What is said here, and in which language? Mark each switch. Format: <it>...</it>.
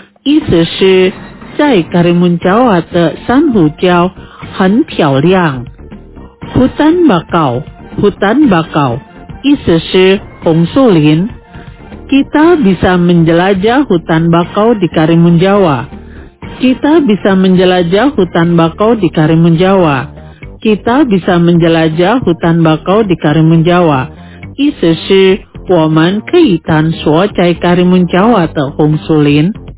<zh>意思是在 Karimun Jawa 的珊瑚礁很漂亮。</zh> <id>Hutan bakau. Hutan bakau,</id> <zh>意思是红树林。</zh> <id>Kita bisa menjelajah hutan bakau di Karimun Jawa. Kita bisa menjelajah hutan bakau di Karimun Jawa. Kita bisa menjelajah hutan bakau di Karimun Jawa.</id> <zh>意思是我们可以探索在 Karimun Jawa 的红树林。</zh>